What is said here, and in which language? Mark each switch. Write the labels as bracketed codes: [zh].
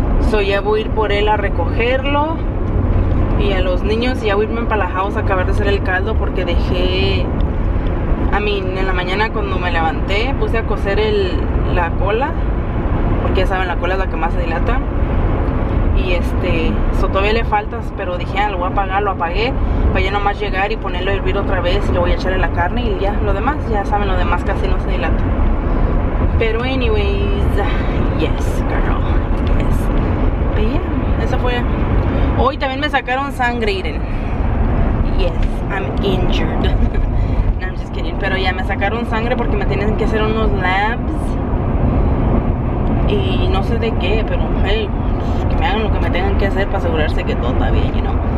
[es] so ya voy a ir por él a recogerlo, y a los niños, ya voy a irme para la house a acabar de hacer el caldo, porque dejé, a mí, en la mañana cuando me levanté, puse a cocer la cola, porque ya saben, la cola es la que más se dilata. Y so todavía le faltas, pero dije, ah, lo apagué, para ya nomás llegar y ponerlo a hervir otra vez, y le voy a echarle la carne y ya, lo demás, ya saben, lo demás casi no se dilata. [en] Pero anyways, yes, girl, yes. [es] Pero ya, yeah, eso fue. Hoy también me sacaron sangre, [en] Irene. Yes, I'm injured. No, I'm just kidding. [es] Pero ya, me sacaron sangre porque me tienen que hacer unos labs. Y no sé de qué, pero hey, que me hagan lo que me tengan que hacer para asegurarse que todo está bien, you know.